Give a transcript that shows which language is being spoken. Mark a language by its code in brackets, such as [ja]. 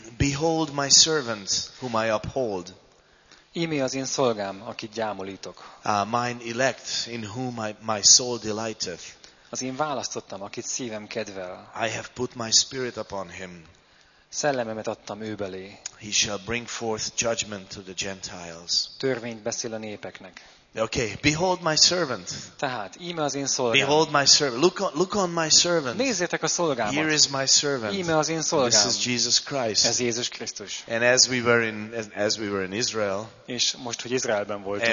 [en] Behold my servant, whom I uphold. [hu] Íme az én szolgám, akit gyámolítok. [en] Mine elect, in whom my soul delighteth. [hu] Az én választottam, akit szívem kedvel. [en] I have put my spirit upon him. [hu] Szellememet adtam ő belé. [en] He shall bring forth judgment to the Gentiles. [hu] Törvényt beszél a népeknek. [en] Okay, behold my servant. [hu] Tehát, íme az én szolgám. [en] Behold my servant. Look on my servant. [hu] Nézzétek a szolgámat. [en] Here is my servant. [hu] Íme az én szolgám. [en] This is Jesus Christ. [hu] Ez Jézus Krisztus. [en] And as we were in Israel. [hu] És most, hogy Izraelben voltunk.